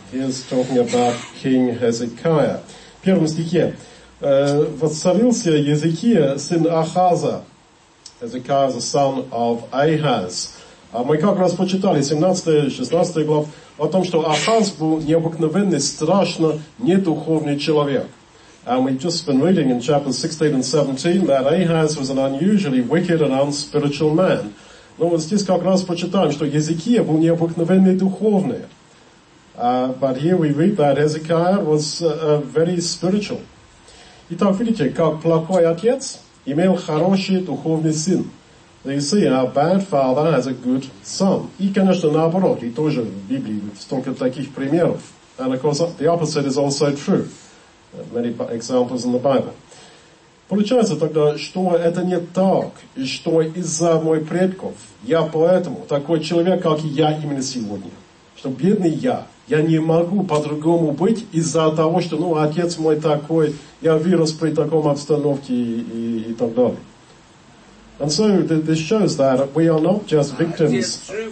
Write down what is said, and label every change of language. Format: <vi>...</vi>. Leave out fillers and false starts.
<en>He's talking about King Hezekiah.</en> <ru>В первом стихе. Воцарился Езекия, сын Ахаза.</ru> <en>Hezekiah is the son of Ahaz.</en> <ru>А мы как раз почитали 17, 16 глав о том, что Ахаз был необыкновенный, страшно недуховный человек.</ru> <en>And we've just been reading in chapters 16 and 17 that Ahaz was an unusually wicked and unspiritual man.</en> <ru>Но вот здесь как раз почитаем, что Езекия был необыкновенный духовный.</ru> <en>But here we read that Hezekiah was very spiritual.</en> <ru>Итак, видите, как плохой отец имел хороший духовный сын.</ru> <en>So you see, a bad father has a good son.</en> <ru>И, конечно, наоборот, и тоже в Библии столько таких примеров.</ru> <en>And of course, the opposite is also true. Many examples in the Bible.</en> <ru>Получается тогда, что это не так, и что из-за моих предков я поэтому такой человек, как я именно сегодня. Что бедный я не могу по-другому быть из-за того, что ну, отец мой такой, я вырос при таком обстановке и так далее.</ru> <en>And so this shows that we are not just victims.</en>